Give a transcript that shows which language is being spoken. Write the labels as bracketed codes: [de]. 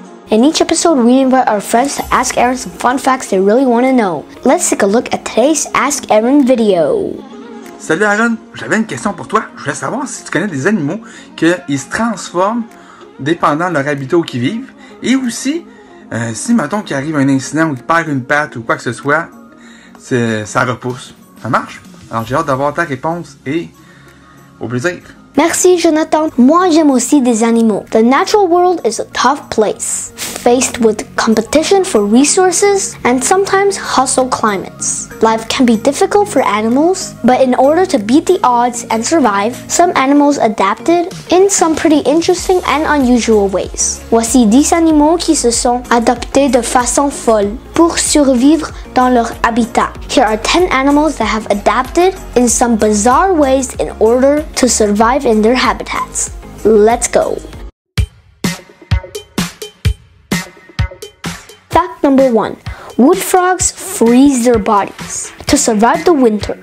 [en] In each episode, we invite our friends to ask Aaron some fun facts they really want to know. Let's take a look at today's Ask Aaron video. [fr] Salut Aaron, j'avais une question pour toi. Je voulais savoir si tu connais des animaux qui se transforment dépendant de leur habitat où ils vivent, et aussi, si mettons qu'il arrive un incident où il perd une patte ou quoi que ce soit, ça repousse. Ça marche? Alors j'ai hâte d'avoir ta réponse et au plaisir. Merci Jonathan. Moi j'aime aussi des animaux. [en] The natural world is a tough place, faced with competition for resources and sometimes hostile climates. Life can be difficult for animals, but in order to beat the odds and survive, some animals adapted in some pretty interesting and unusual ways. [fr] Voici 10 animaux qui se sont adaptés de façon folle pour survivre dans leur habitat. [en] Here are 10 animals that have adapted in some bizarre ways in order to survive in their habitats. Let's go! Fact number 1. Wood frogs freeze their bodies to survive the winter.